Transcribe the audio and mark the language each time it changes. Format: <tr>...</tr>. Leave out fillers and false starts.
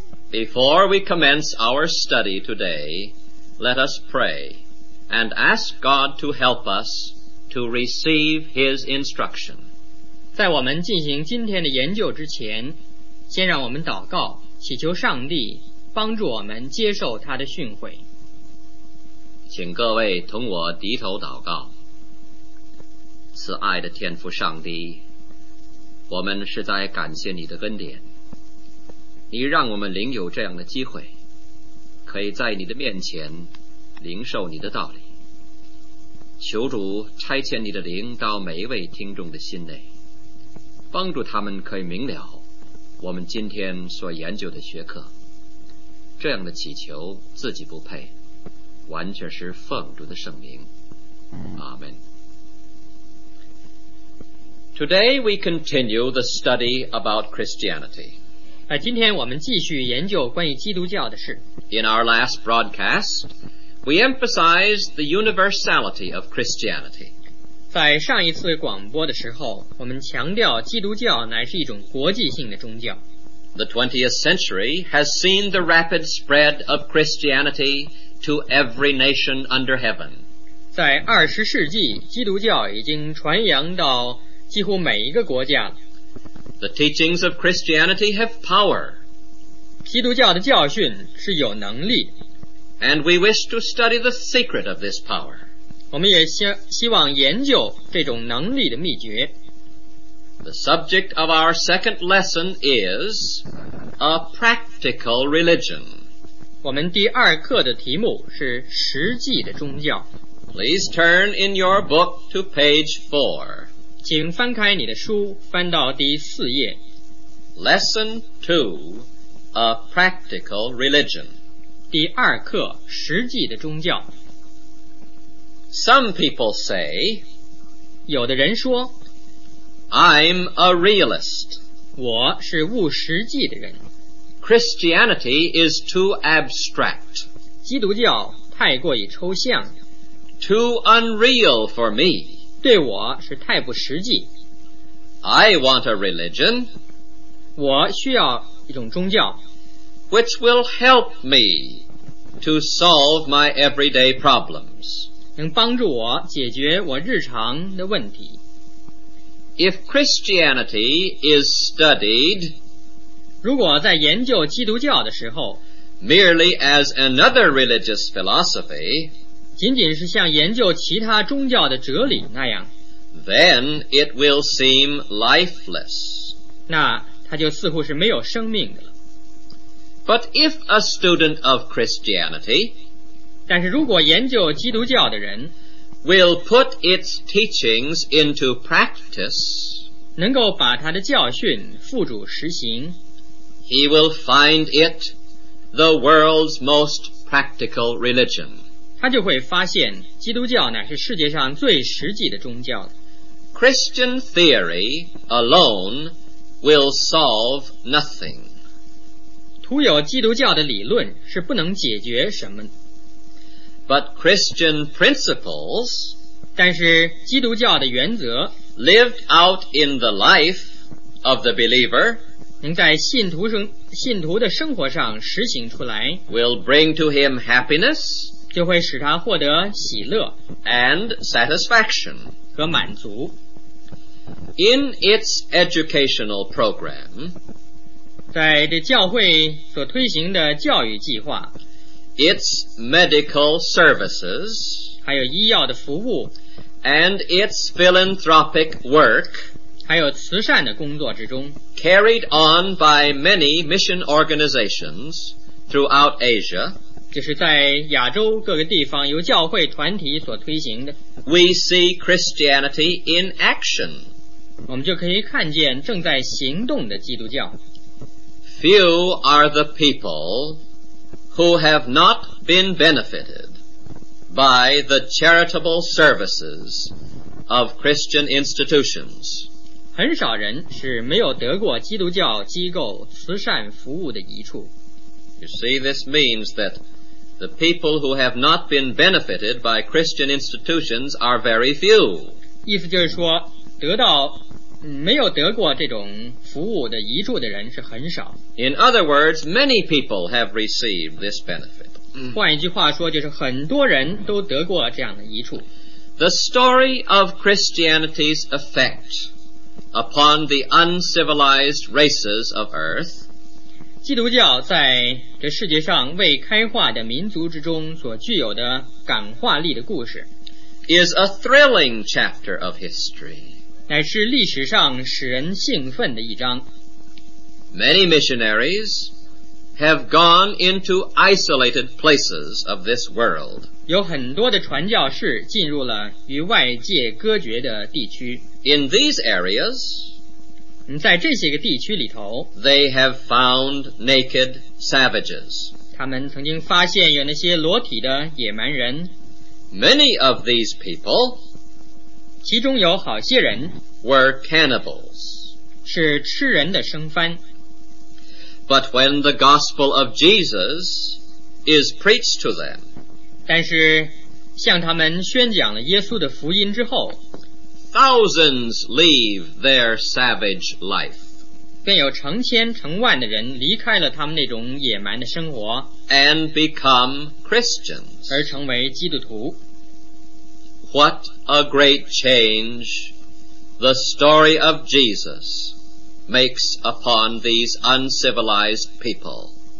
<en>Before we commence our study today, let us pray and ask God to help us to receive His instruction.</en> <zh>在我们进行今天的研究之前，先让我们祷告，祈求上帝帮助我们接受他的训诲。请各位同我低头祷告。慈爱的天父上帝，我们实在感谢你的恩典，你让我们领有这样的机会，可以在你的面前领受你的道理。求主差遣你的灵到每一位听众的心内，帮助他们可以明了我们今天所研究的学科。这样的祈求自己不配，完全是奉主的圣名，阿们。</zh> <en>Today we continue the study about Christianity.</en> <zh>今天我们继续研究关于基督教的事。</zh> <en>In our last broadcast, we emphasized the universality of Christianity.</en> <zh>在上一次广播的时候，我们强调基督教乃是一种国际性的宗教。</zh> <en>The 20th century has seen the rapid spread of Christianity to every nation under heaven.</en> <zh>在二十世纪，基督教已经传扬到几乎每一个国家。</zh> <en>The teachings of Christianity have power.</en> <zh>基督教的教训是有能力。</zh> <en>And we wish to study the secret of this power.</en> <zh>我们也希望研究这种能力的秘诀。</zh> <en>The subject of our second lesson is a practical religion.</en> <zh>我们第二课的题目是实际的宗教。</zh> <en>Please turn in your book to page 4.</en> <zh>请翻开你的书，翻到第四页。</zh> <en>Lesson 2, a practical religion.</en> <zh>第二课，实际的宗教。</zh> <en>Some people say,</en> <zh>有的人说，</zh> <en>I'm a realist.</en> <zh>我是务实际的人。</zh> <en>Christianity is too abstract.</en> <zh>基督教太过于抽象。</zh> <en>Too unreal for me.</en> <zh>对我是太不实际。</zh> <en>I want a religion.</en> <zh>我需要一种宗教。</zh> <en>Which will help me to solve my everyday problems.</en> <zh>能帮助我解决我日常的问题。</zh> <en>If Christianity is studied,</en> <zh>如果在研究基督教的时候，</zh> <en>merely as another religious philosophy,</en> <zh>仅仅是像研究其他宗教的哲理那样，</zh> <en>then it will seem lifeless.</en> <zh>那它就似乎是没有生命的了。</zh> <en>But if a student of Christianity,</en> <zh>但是如果研究基督教的人</zh> <en>will put its teachings into practice,</en> <zh>能够把他的教训付诸实行，</zh> <en>he will find it the world's most practical religion.</en> <zh>他就会发现基督教乃是世界上最实际的宗教。</zh> <en>Christian theory alone will solve nothing.</en> <zh>徒有基督教的理论是不能解决什么。</zh> <en>But Christian principles,</en> <zh>但是基督教的原则</zh> <en>lived out in the life of the believer,</en> <zh>能在信徒的生活上实行出来，</zh> <en>will bring to him happiness,</en> <zh>就会使他获得喜乐</zh> <en>and satisfaction,</en> <zh>和满足。</zh> <en>In its educational program,</en> <zh>在这教会所推行的教育计划，</zh> <en>its medical services,</en> <zh>还有医药的服务，</zh> <en>and its philanthropic work,</en> <zh>还有慈善的工作之中，</zh> <en>carried on by many mission organizations throughout Asia,</en> <zh>这是在亚洲各个地方由教会团体所推行的。</zh> <en>We see Christianity in action.</en> <zh>我们就可以看见正在行动的基督教。</zh> <en>Few are the people who have not been benefited by the charitable services of Christian institutions.</en> <zh>很少人是没有得过基督教机构慈善服务的益处。</zh> <en>You see, this means that the people who have not been benefited by Christian institutions are very few.</en> <zh>意思就是说，没有得过这种服务的益处的人是很少。</zh> <en>In other words, many people have received this benefit.</en> <zh>换一句话说，就是很多人都得过这样的益处。</zh> <en>The story of Christianity's effect upon the uncivilized races of earth.</en> <zh>基督教在这世界上未开化的民族之中所具有的感化力的故事</zh> <en>is a thrilling chapter of history.</en> <zh>乃是历史上使人兴奋的一章。</zh> <en>Many missionaries have gone into isolated places of this world.</en> <zh>有很多的传教士进入了与外界隔绝的地区。</zh> <en>In these areas,</en> <zh>在这些个地区里头</zh> <en>they have found naked savages.</en> <zh>他们曾经发现有那些裸体的野蛮人。</zh> <en>Many of these people,</en> <zh>其中有好些人</zh> <en>were cannibals.</en> <zh>是吃人的生番。</zh> <en>But when the gospel of Jesus is preached to them,</en> <zh>但是向他们宣讲了耶稣的福音之后</zh> <en>Thousands leave their savage life.</en> <zh>便有成千成万的人离开了他们那种野蛮的生活</zh> <en>and become Christians.</en> <zh>而成为基督徒。</zh> <en>What a great change the story of Jesus makes upon these uncivilized people.</en>